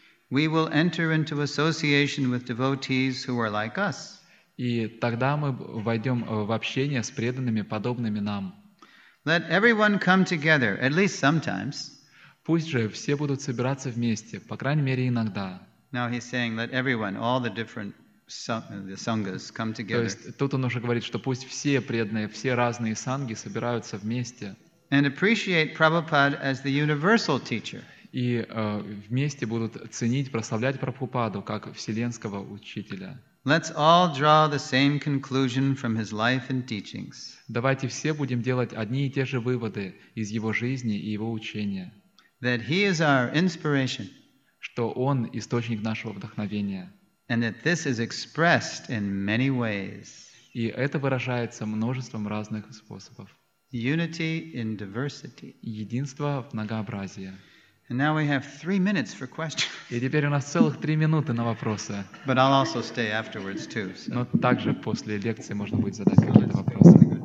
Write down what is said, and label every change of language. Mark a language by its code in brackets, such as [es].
[en] we will enter into association with devotees who are like us. [ru] И тогда мы войдем в общение с преданными, подобными нам. [en] Let everyone come together, at least sometimes. [ru] Пусть же все будут собираться вместе, по крайней мере, иногда. [en] Now he's saying, let everyone, all the different sanghas come together. [ru] То есть тут он уже говорит, что пусть все преданные, все разные санги собираются вместе. [en] And appreciate Prabhupada as the universal teacher. [ru] И вместе будут ценить, прославлять Прабхупаду как вселенского учителя. [en] Let's all draw the same conclusion from his life and teachings. [ru] Давайте все будем делать одни и те же выводы из его жизни и его учения. [en] That he is our inspiration. [ru] Что он источник нашего вдохновения. [en] And that this is expressed in many ways. [ru] И это выражается множеством разных способов. [en] Unity in diversity. [ru] Единство в многообразии. [en] And now we have 3 minutes for questions. [ru] И теперь у нас целых 3 минуты на вопросы. [en] But I'll also stay afterwards too. So. [ru] Но также после лекции можно будет задать какие-то вопросы.